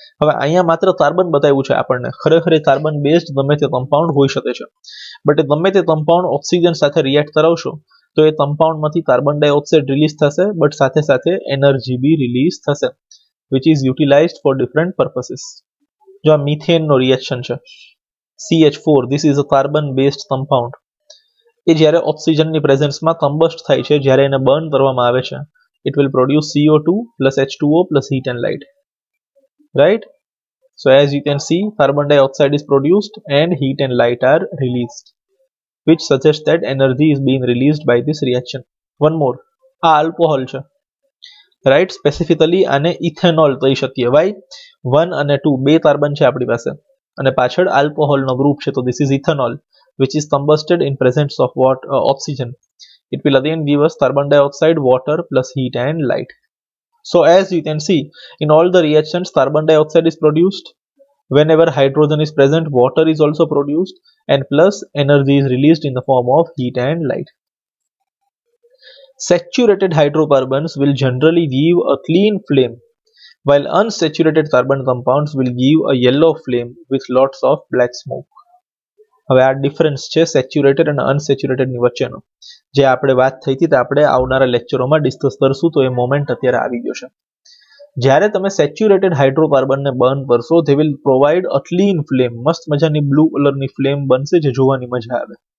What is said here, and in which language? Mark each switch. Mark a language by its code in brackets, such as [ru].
[gu] હવે અહીંયા માત્ર કાર્બન બતાવ્યું છે આપણને. ખરેખરે કાર્બન બેઝડ ગમે તે કમ્પાઉન્ડ હોઈ શકે છે, બટ એ ગમે તે કમ્પાઉન્ડ ઓક્સિજન સાથે રિએક્ટ કરાવશો તો એ કમ્પાઉન્ડ માંથી કાર્બન ડાયોક્સાઇડ રિલીઝ થશે, બટ સાથે સાથે એનર્જી બી રિલીઝ થશે, [en] Which is utilized for different purposes. [gu] જો આ મિથેન નો રિએક્શન છે, CH4, [en] this is a carbon based compound. [gu] એ જ્યારે ઓક્સિજન ની પ્રેઝન્સ માં કમ્બસ્ટ થાય છે, જ્યારે એને બર્ન કરવામાં આવે છે, [en] It will produce CO2 plus H2O plus heat and light. Right, so as you can see carbon dioxide is produced and heat and light are released, which suggest that energy is being released by this reaction. One more, [gu] આ alcohol છે. Right, specifically આને ethanol કહી શકીએ. Y, 1 અને 2 બે carbon છે આપણી પાસે અને પાછળ આલ્કોહોલ નો ગ્રુપ છે, તો [en] This is ethanol which is combusted in presence of what oxygen. It will again give us carbon dioxide, water plus heat and light. So as you can see in all the reactions carbon dioxide is produced, whenever hydrogen is present water is also produced and plus energy is released in the form of heat and light. Saturated hydrocarbons will generally give a clean flame, while unsaturated carbon compounds will give a yellow flame with lots of black smoke. [gu] હવે આ difference છે saturated અને unsaturated ની વચ્ચેનો, જે આપણે વાત થઈ હતી તે આપણે આવનારા લેક્ચરોમાં ડિસ્કસ કરશું, તો એ મોમેન્ટ અત્યારે આવી ગયો છે. જ્યારે તમે સેચ્યુરેટેડ હાઇડ્રોકાર્બનને બર્ન કરશો, [en] they will provide a clean flame, [gu] મસ્ત મજાની બ્લુ કલરની ફ્લેમ બનશે જે જોવાની મજા આવે.